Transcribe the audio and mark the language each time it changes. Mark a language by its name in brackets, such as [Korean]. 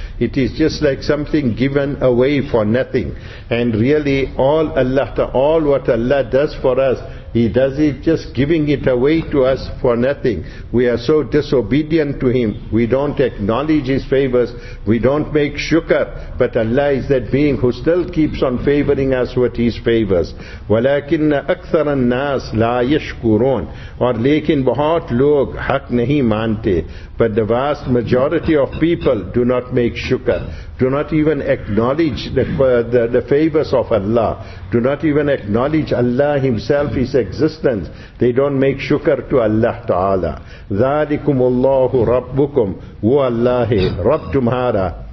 [English] It is just like something given away for nothing. And really all what Allah does for us, He does it just giving it away to us for nothing. We are so disobedient to Him. We don't acknowledge His favors. We don't make shukr. But Allah is that being who still keeps on favoring us with His favors. [Arabic] وَلَكِنَّ أَكْثَرَ النَّاسِ لَا يَشْكُرُونَ. [Urdu] اور لیکن بہت لوگ حق نہیں مانتے. [English] But the vast majority of people do not make shukr. Do not even acknowledge the favors of Allah. Do not even acknowledge Allah Himself, His existence. They don't make shukr to Allah Ta'ala. [Arabic] ذَلِكُمُ اللَّهُ رَبُّكُمْ [Urdu] وَاللَّهِ رَبْ تُمْهَارَ.